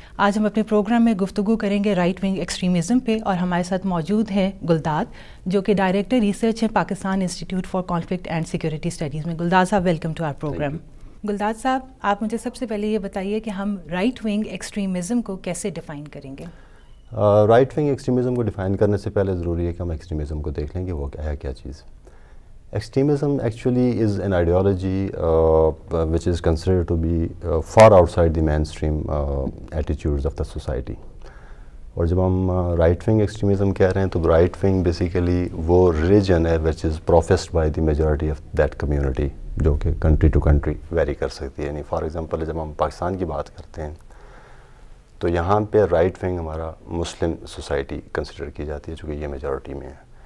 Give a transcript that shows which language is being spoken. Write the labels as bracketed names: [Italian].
[Hindi] आज हम अपने प्रोग्राम में गुफ्तगू करेंगे राइट विंग एक्सट्रीमिज़म पे, और हमारे साथ मौजूद हैं गुलदाद, जो कि डायरेक्टर रिसर्च हैं Pakistan institute for conflict and security studies में। गुलदाद साहब, welcome to are programme. Guldad साहब, आप मुझे सबसे पहले ये बताइए कि हम राइट विंग एक्सट्रीमिज़म को कैसे डिफ़ाइन करेंगे। राइट विंग एक्सट्रीमिज़म को डिफ़ाइन करने से पहले ज़रूरी है कि हम एक्सट्रीमिज़म को देख लें कि वो क्या है, क्या चीज़। [English] Extremism actually is an ideology which is considered to be far outside the mainstream attitudes of the society. [Hindi] और जब हम right wing extremism कह रहे हैं तो right wing basically वो religion है [English] which is professed by the majority of that community, [Hindi] जो कि [English] country to country vary [Hindi] कर सकती है। यानी for example जब हम पाकिस्तान की बात करते हैं तो यहाँ पर right wing हमारा Muslim society consider की जाती है, चूँकि ये majority में है।